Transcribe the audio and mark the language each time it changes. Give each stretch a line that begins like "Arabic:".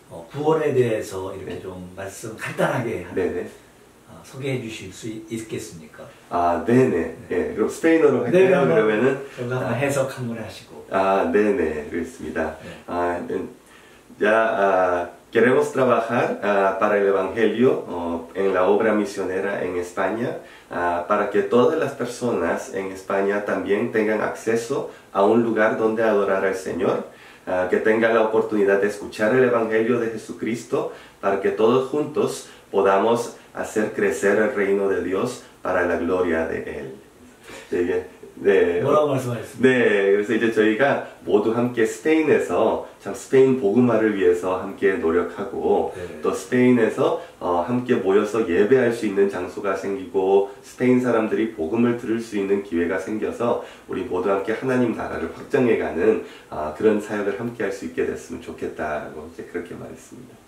Korean: 구원에 대해서 이렇게 네. 좀 말씀 간단하게 네, 네. 소개해 주실 수 있겠습니까? 아, 네네. 네. 네. 그럼 스페인어로 할까요? 네, 그러면은 제가 한번 해석 한번 하시고. 아, 네네. 그렇습니다. 네.
Spanish: 아, queremos trabajar para el evangelio en la obra misionera en España para que todas las personas en España también tengan acceso a un lugar donde adorar al Señor. Que tenga la oportunidad de escuchar el Evangelio de Jesucristo para que todos juntos podamos hacer crecer el reino de Dios para la gloria de Él.
Korean: 네. 뭐라고 말씀하셨습니까? 네. 그래서 이제 저희가 모두 함께 스페인에서 참 스페인 복음화를 위해서 함께 노력하고 네. 또 스페인에서 함께 모여서 예배할 수 있는 장소가 생기고 스페인 사람들이 복음을 들을 수 있는 기회가 생겨서 우리 모두 함께 하나님 나라를 확장해가는 그런 사역을 함께 할 수 있게 됐으면 좋겠다고 이제 그렇게 말했습니다.